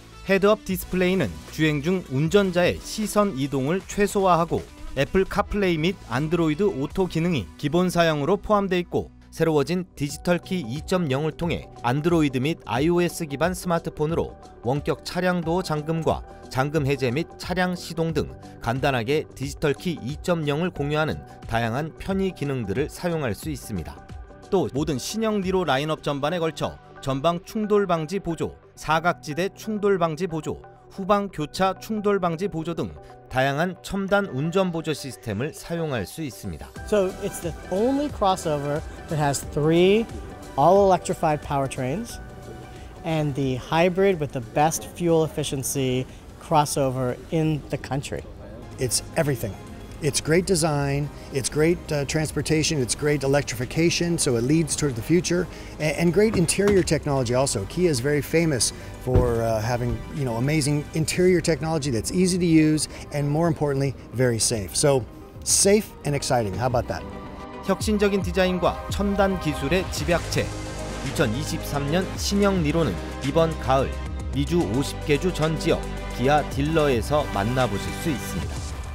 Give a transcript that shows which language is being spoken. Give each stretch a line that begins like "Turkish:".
Korean: 헤드업 디스플레이는 주행 중 운전자의 시선 이동을 최소화하고 애플 카플레이 및 안드로이드 오토 기능이 기본 사양으로 포함되어 있고 새로워진 디지털 키 2.0을 통해 안드로이드 및 iOS 기반 스마트폰으로 원격 차량 도어 잠금과 잠금 해제 및 차량 시동 등 간단하게 디지털 키 2.0을 공유하는 다양한 편의 기능들을 사용할 수 있습니다. 또 모든 신형 니로 라인업 전반에 걸쳐 전방 충돌 방지 보조, 사각지대 충돌 방지 보조, 후방 교차 충돌 방지 보조 등 다양한 첨단 운전 보조 시스템을 사용할 수 있습니다.
English: So it's the only crossover that has three all-electrified powertrains and the hybrid with the best fuel efficiency crossover in the country. It's everything. It's great design, it's great transportation, it's great electrification, so it leads toward the future, and great interior technology also. Kia is very famous for having, you know, amazing interior technology that's easy to use, and more importantly, very safe. So, safe and exciting. How about that?
Korean: 혁신적인 디자인과 첨단 기술의 집약체, 2023년 신형 니로는 이번 가을 미주 50개 주 전 지역 기아 딜러에서 만나보실 수 있습니다.